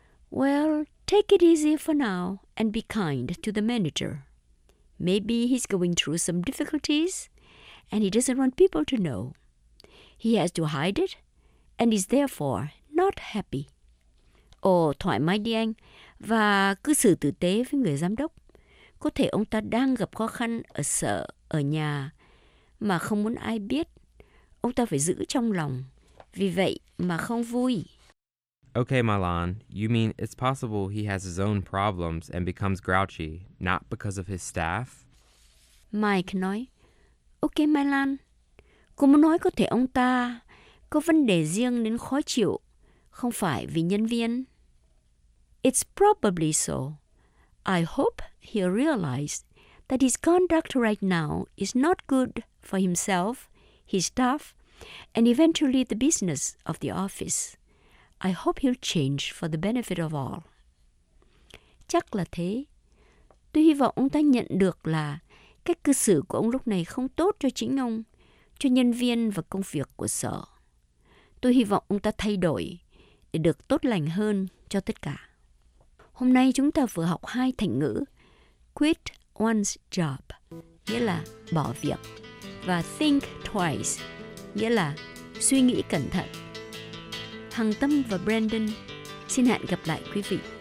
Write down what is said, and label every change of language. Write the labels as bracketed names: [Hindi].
[English] Well, take it easy for now and be kind to the manager. Maybe he's going through some difficulties and he doesn't want people to know. He has to hide it and is therefore not happy. [Vietnamese] Thoải mái đi anh và cứ xử tử tế với người giám đốc. Có thể ông ta đang gặp khó khăn ở sở, ở nhà, mà không muốn ai biết. Ông ta phải giữ trong lòng, vì vậy mà không vui. [English] Okay, Milan, you mean it's possible he has his own problems and becomes grouchy, not because of his staff? [Vietnamese] Mike nói, [English] okay, Milan, [Vietnamese] cô muốn nói có thể ông ta có vấn đề riêng nên khó chịu, không phải vì nhân viên. [English] It's probably so. I hope he'll realize that his conduct right now is not good for himself, his staff, and eventually the business of the office. I hope he'll change for the benefit of all. [Vietnamese] Chắc là thế. Tôi hy vọng ông ta nhận được là cách cư xử của ông lúc này không tốt cho chính ông, cho nhân viên và công việc của sở. Tôi hy vọng ông ta thay đổi để được tốt lành hơn cho tất cả. Hôm nay chúng ta vừa học hai thành ngữ [English] quit one's job, [Vietnamese] nghĩa là bỏ việc, và [English] think twice, [Vietnamese] nghĩa là suy nghĩ cẩn thận. Hằng Tâm và Brandon xin hẹn gặp lại quý vị